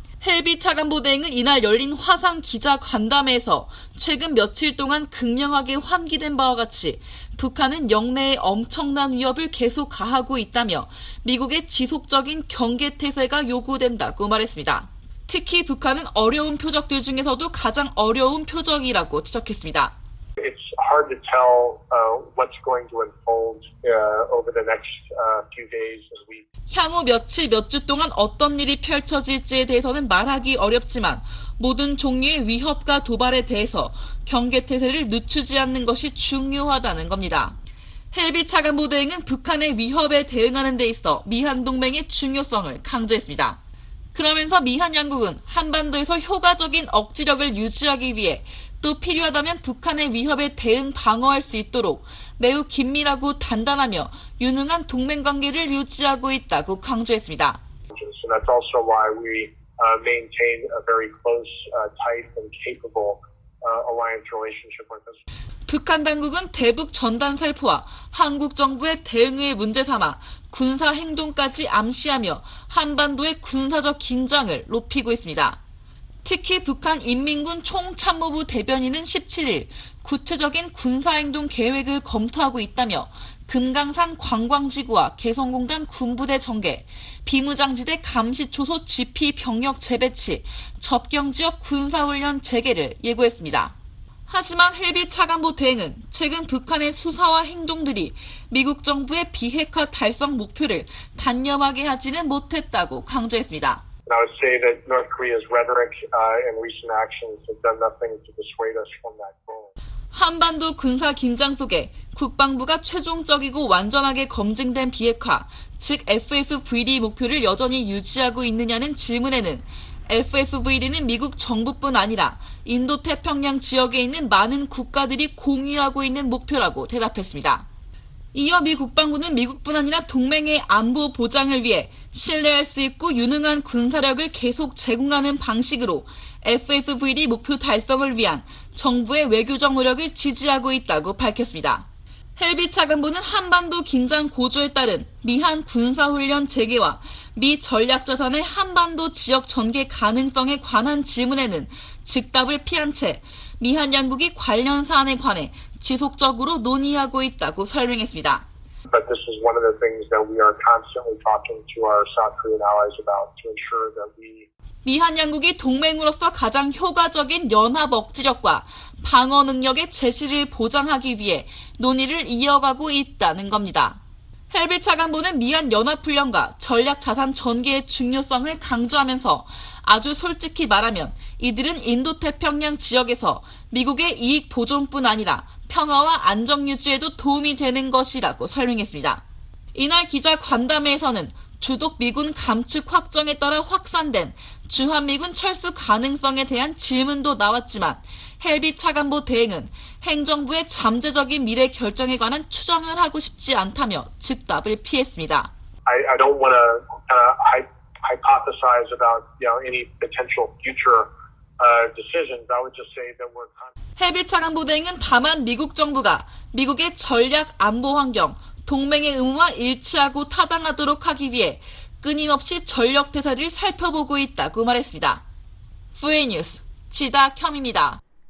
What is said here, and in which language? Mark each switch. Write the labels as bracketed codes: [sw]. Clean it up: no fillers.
[ko] 헬비 차관보대행은 이날 열린 화상 기자간담회에서 최근 며칠 동안 극명하게 환기된 바와 같이 북한은 영내의 엄청난 위협을 계속 가하고 있다며 미국의 지속적인 경계태세가 요구된다고 말했습니다. 특히 북한은 어려운 표적들 중에서도 가장 어려운 표적이라고 지적했습니다. [en] It's hard to tell what's going to unfold over the next few days and weeks. [ko] 향후 며칠, 몇 주 동안 어떤 일이 펼쳐질지에 대해서는 말하기 어렵지만 모든 종류의 위협과 도발에 대해서 경계태세를 늦추지 않는 것이 중요하다는 겁니다. 헬비 차관보대행은 북한의 위협에 대응하는 데 있어 미한 동맹의 중요성을 강조했습니다. 그러면서 미한 양국은 한반도에서 효과적인 억지력을 유지하기 위해 또 필요하다면 북한의 위협에 대응 방어할 수 있도록 매우 긴밀하고 단단하며 유능한 동맹관계를 유지하고 있다고 강조했습니다. [en] So that's also why we maintain a very close, tight and capable alliance relationship with us. [ko] 북한 당국은 대북 전단 살포와 한국 정부의 대응을 문제 삼아 군사 행동까지 암시하며 한반도의 군사적 긴장을 높이고 있습니다. 특히 북한 인민군 총참모부 대변인은 17일 구체적인 군사행동 계획을 검토하고 있다며 금강산 관광지구와 개성공단 군부대 전개, 비무장지대 감시초소 GP 병력 재배치, 접경지역 군사훈련 재개를 예고했습니다. 하지만 헬비 차관보 대행은 최근 북한의 수사와 행동들이 미국 정부의 비핵화 달성 목표를 단념하게 하지는 못했다고 강조했습니다. [en] I would say that North Korea's rhetoric and recent actions have done nothing to dissuade us from that goal. [ko] 한반도 군사 긴장 속에 국방부가 최종적이고 완전하게 검증된 비핵화, 즉 FFVD 목표를 여전히 유지하고 있느냐는 질문에는 FFVD는 미국 정부뿐 아니라 인도태평양 지역에 있는 많은 국가들이 공유하고 있는 목표라고 대답했습니다. 이어 미 국방부는 미국뿐 아니라 동맹의 안보 보장을 위해 신뢰할 수 있고 유능한 군사력을 계속 제공하는 방식으로 FFVD 목표 달성을 위한 정부의 외교적 노력을 지지하고 있다고 밝혔습니다. 헬비 차관보는 한반도 긴장 고조에 따른 미한 군사훈련 재개와 미 전략자산의 한반도 지역 전개 가능성에 관한 질문에는 즉답을 피한 채 미한 양국이 관련 사안에 관해 지속적으로 논의하고 있다고 설명했습니다. [en] But this is one of the things that we are constantly talking to our South Korean allies about to ensure that we [ko] 미한 양국이 동맹으로서 가장 효과적인 연합 억지력과 방어 능력의 제시를 보장하기 위해 논의를 이어가고 있다는 겁니다. 헬비 차관보는 미한 연합훈련과 전략자산 전개의 중요성을 강조하면서 아주 솔직히 말하면 이들은 인도태평양 지역에서 미국의 이익 보존뿐 아니라 평화와 안정 유지에도 도움이 되는 것이라고 설명했습니다. 이날 기자 간담회에서는 주독 미군 감축 확정에 따라 확산된 주한미군 철수 가능성에 대한 질문도 나왔지만 헬비 차관보 대행은 행정부의 잠재적인 미래 결정에 관한 추정을 하고 싶지 않다며 즉답을 피했습니다. [en] I don't want to kind of hypothesize about, you know, any potential future decisions. I would just say that we're constantly. [ko] 해비 차관 보도행은 다만 미국 정부가 미국의 전략 안보 환경 동맹의 의무와 일치하고 타당하도록 하기 위해 끊임없이 전력 태세를 살펴보고 있다고 말했습니다. 후에 뉴스 지다 켬입니다.